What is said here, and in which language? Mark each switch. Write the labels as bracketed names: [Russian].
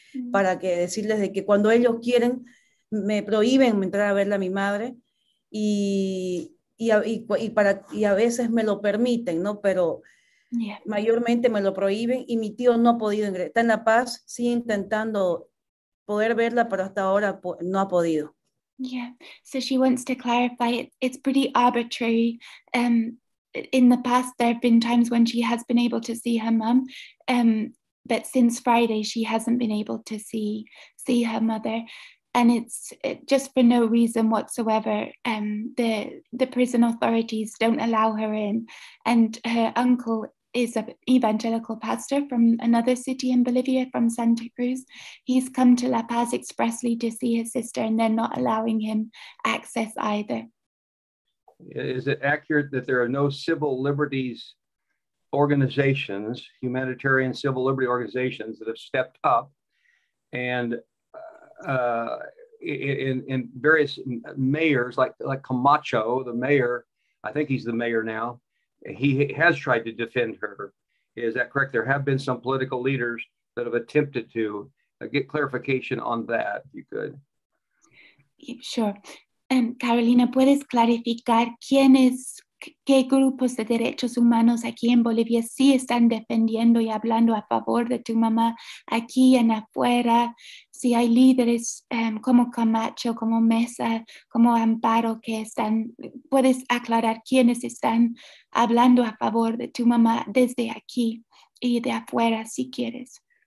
[Spanish] Para que decirles de que cuando ellos quieren, me prohíben entrar a verla a mi madre. Y a veces me lo permiten, ¿no? Pero mayormente me lo prohíben y mi tío no ha podido ingresar. Está en La Paz, sí intentando poder verla, pero hasta ahora no ha podido. [English] Yeah, so she wants to clarify, it's pretty arbitrary. In the past, there have been times when she has been able to see her mom, but since Friday, she hasn't been able to see her mother. And it's just for no reason whatsoever. The prison authorities don't allow her in. And her uncle is an evangelical pastor from another city in Bolivia, from Santa Cruz. He's come to La Paz expressly to see his sister, and they're not allowing him access either. Is it accurate that there are no civil liberties organizations, humanitarian civil liberty organizations, that have stepped up and in various mayors like Camacho, the mayor, I think he's the mayor now, he has tried to defend her. Is that correct? There have been some political leaders that have attempted to get clarification on that, if you could. Sure. [Spanish] Carolina, ¿puedes clarificar quiénes, qué grupos de derechos humanos aquí en Bolivia sí están defendiendo y hablando a favor de tu mamá aquí en afuera? Si hay líderes como Camacho, como Mesa, como Amparo, que están, ¿puedes aclarar quiénes están hablando a favor de tu mamá desde aquí y de afuera, si quieres?